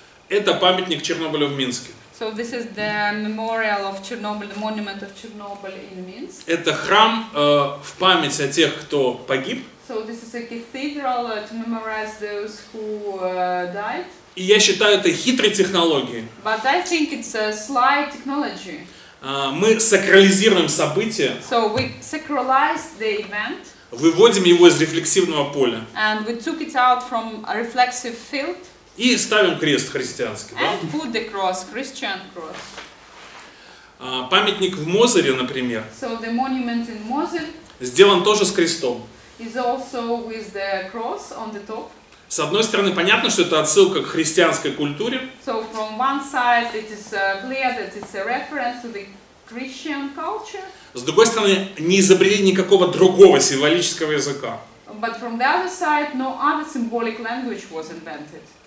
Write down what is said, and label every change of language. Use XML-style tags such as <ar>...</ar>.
<ru>Это памятник Чернобылю в Минске.</ru> <en>So this is the memorial of Chernobyl, the monument of Chernobyl in Minsk.</en> <ru>Это храм в память о тех, кто погиб.</ru> <en>So this is it's a cathedral to memorize those who died.</en> <ru>И я считаю, это хитрой технологией.</ru> <en>But I think it's a sly technology.</en> <ru>Мы сакрализируем событие.</ru> <en>So we sacralize the event.</en> <ru>Выводим его из рефлексивного поля.</ru> <en>And we took it out from a reflexive field.</en> <ru>И ставим крест христианский.</ru> <en>And put the cross, Christian cross.</en> <ru>Памятник в Мозыре, например.</ru> <en>So the monument in Mozyr.</en> <ru>Сделан тоже с крестом.</ru> <en>Is also with the cross on the top.</en> <ru>С одной стороны, понятно, что это отсылка к христианской культуре.</ru> <en>So from one side, it is clear that it's a reference to the Christian culture.</en> <ru>С другой стороны, не изобрели никакого другого символического языка.</ru> <en>But from the other side, no other symbolic language was invented.</en>